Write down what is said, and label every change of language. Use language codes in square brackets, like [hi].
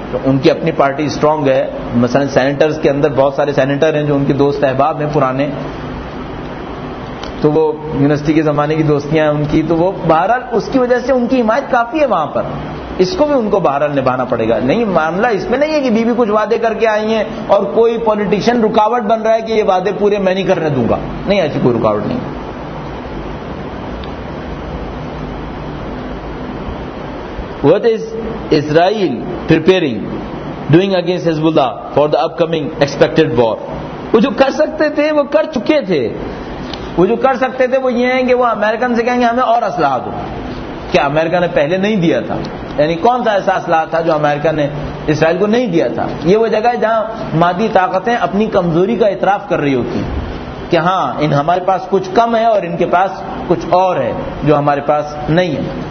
[ur] تو ان کی اپنی پارٹی اسٹرانگ ہے, مثلا سینیٹرز کے اندر بہت سارے سینیٹر ہیں جو ان کے دوست احباب ہیں پرانے, تو وہ یونیورسٹی کے زمانے کی دوستیاں ہیں ان کی, تو وہ بہرحال اس کی وجہ سے ان کی حمایت کافی ہے وہاں پر, اس کو بھی ان کو بہرحال نبھانا پڑے گا. نہیں, معاملہ اس میں نہیں ہے کہ بی بی کچھ وعدے کر کے آئی ہیں اور کوئی پولیٹیشین رکاوٹ بن رہا ہے کہ یہ وعدے پورے میں نہیں کرنے دوں گا, نہیں, ایسی کوئی رکاوٹ نہیں. [en] What is Israel preparing, doing against Hezbollah for the upcoming expected war? [ur] وہ جو کر سکتے تھے وہ کر چکے تھے. وہ جو کر سکتے تھے وہ یہ ہیں کہ وہ امریکن سے کہیں گے ہمیں اور اسلحہ دو. کیا امریکہ نے پہلے نہیں دیا تھا؟ یعنی کون سا ایسا اسلحہ تھا جو امریکہ نے اسرائیل کو نہیں دیا تھا؟ یہ وہ جگہ ہے جہاں مادی طاقتیں اپنی کمزوری کا اعتراف کر رہی ہوتی ہیں کہ ہاں ان ہمارے پاس کچھ کم ہے اور ان کے پاس کچھ اور ہے جو ہمارے پاس نہیں ہے.